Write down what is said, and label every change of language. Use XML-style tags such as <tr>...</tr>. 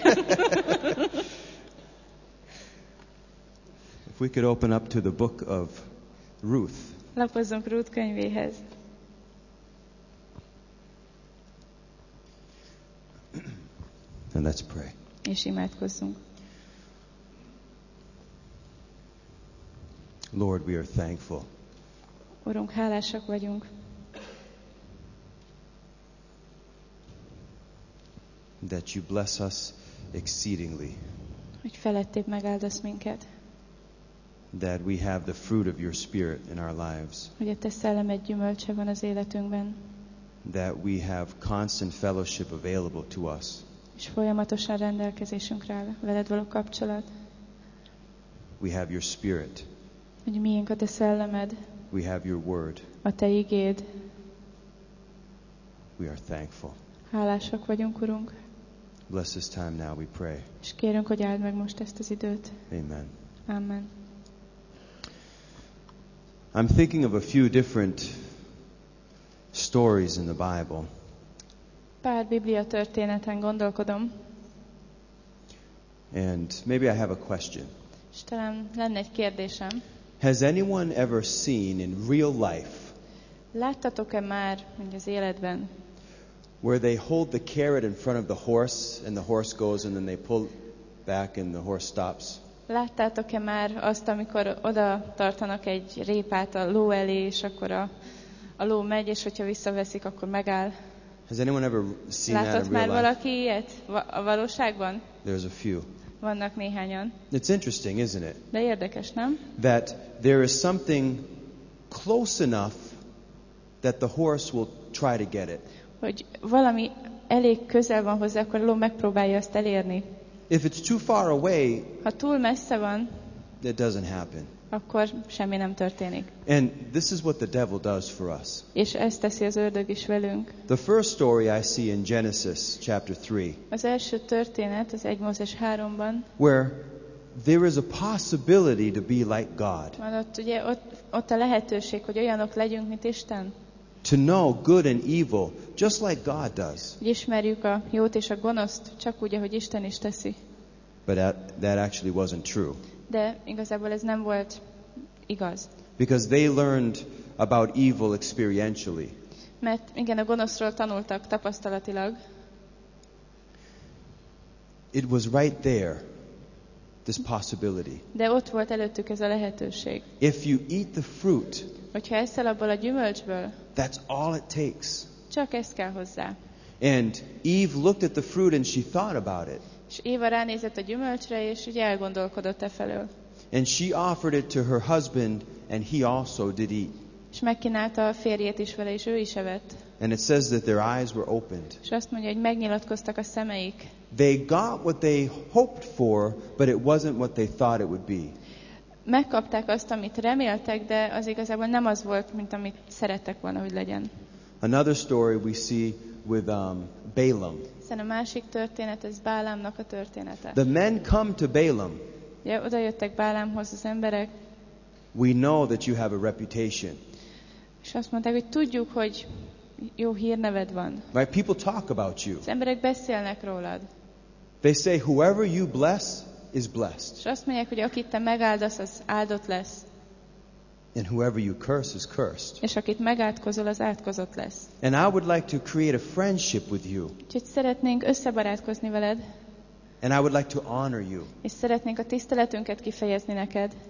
<en>If we could open up to the book of Ruth.</en> <hu>Lapozzunk Ruth könyvéhez.</hu> <en>And let's pray.</en> <hu>És imádkozzunk.</hu> <en>Lord, we are thankful.</en> <hu>Urunk, hálásak vagyunk.</hu> <en>That you bless us exceedingly.</en> <hu>Hogy felettébb megáldasz minket.</hu> <en>That we have the fruit of your spirit in our lives.</en> <hu>Hogy a te szellemed gyümölcse van az életünkben.</hu> <en>That we have constant fellowship available to us.</en> <hu>És folyamatosan rendelkezésünkre áll veled való kapcsolat.</hu> <en>We have your spirit.</en> <hu>Hogy miénk a te szellemed.</hu> <en>We have your word.</en> <hu>A te igéd.</hu> <en>We are thankful.</en> <hu>Hálásak vagyunk, Urunk.</hu> <en>Bless this time now, we pray.</en> <hu>És kérünk, hogy áld meg most ezt az időt.</hu> <en>Amen.</en> <hu>Amen.</hu> <en>I'm thinking of a few different stories in the Bible.</en> <hu>Pár Biblia történeten gondolkodom.</hu> <en>And maybe I have a question.</en> <hu>És talán lenne egy kérdésem.</hu> <en>Has anyone ever seen in real life?</en> <hu>Láttatok-e már, mondjuk az életben?</hu> <en>Where they hold the carrot in front of the horse and the horse goes and then they pull back and the horse stops.</en> <hu>Láttátok-e már azt, amikor oda tartanak egy répát a ló elé, és akkor a ló megy, és hogyha visszaveszik, akkor megáll.</hu> <en>Has anyone ever seen</en> <hu>Látott</hu> <en>that in real</en> <hu>már</hu> <en>life?</en> <hu>Valaki ilyet a valóságban?</hu> <en>There's a few.</en> <hu>Vannak néhányan.</hu> <en>It's interesting, isn't it?</en> <hu>De érdekes, nem?</hu> <en>That there is something close enough that the horse will try to get it.</en> <hu>Hogy valami elég közel van hozzá, akkor a ló megpróbálja azt elérni.</hu> <en>If it's too far away,</en> <hu>ha túl messze van,</hu> <en>it doesn't happen.</en> <hu>Akkor semmi nem történik.</hu> <en>And this is what the devil does for us.</en> <hu>És ezt teszi az ördög is velünk.</hu> <en>The first story I see in Genesis chapter 3.</en> <hu>Az első történet az 1 Mózes 3-ban.</hu> <en>Where there is a possibility to be like God.</en> <hu>Van ott, ugye, ott a lehetőség, hogy olyanok legyünk, mint Isten.</hu> <en>To know good and evil, just like God does.</en> <hu>Ismerjük a jót és a gonoszt, csak úgy, ahogy Isten is teszi.</hu> <en>But that actually wasn't true.</en> <hu>De igazából ez nem volt igaz.</hu> <en>Because they learned about evil experientially.</en> <hu>Mert igen, a gonoszról tanultak tapasztalatilag.</hu> <en>It was right there, this possibility.</en> <hu>De ott volt előttük ez a lehetőség.</hu> <en>If you eat the fruit,</en> <hu>hogyha eszel abból a gyümölcsből,</hu> <en>that's all it takes.</en> <hu>Csak ezt kell hozzá.</hu> <en>And Eve looked at the fruit and she thought about it.</en> <hu>És Éva ránézett a gyümölcsre, és ugye elgondolkodott e felől.</hu> <en>And she offered it to her husband and he also did eat.</en> <hu>És megkínálta a férjét is vele, és ő is evett.</hu> <en>And it says that their eyes were opened.</en> <hu>És azt mondja, hogy megnyilatkoztak a szemeik.</hu> <en>They got what they hoped for, but it wasn't what they thought it would be.</en> <hu>Megkapták azt, amit reméltek, de az igazából nem az volt, mint amit szerettek volna, hogy legyen.</hu> <en>Another story we see with Balaam.</en> <hu>Szerintem a másik történet, ez Bálámnak a története.</hu> <en>The men come to Balaam.</en> <hu>Ja, oda jöttek Bálámhoz az emberek.</hu> <en>We know that you have a reputation.</en> <hu>És azt mondták, hogy tudjuk, hogy jó hírneved van.</hu> <en>Right, people talk about you.</en> <hu>Az emberek beszélnek rólad.</hu> <en>They say, whoever you bless is blessed.</en> <hu>És azt mondják, hogy akit te megáldasz, az áldott lesz.</hu> <en>And whoever you curse is cursed.</en> <hu>És akit megátkozol, az átkozott lesz.</hu> <en>And I would like to create a friendship with you.</en> <hu>Úgyhogy szeretnénk összebarátkozni veled.</hu> <en>And I would like to honor you.</en> <hu>És szeretnénk a tiszteletünket kifejezni neked.</hu>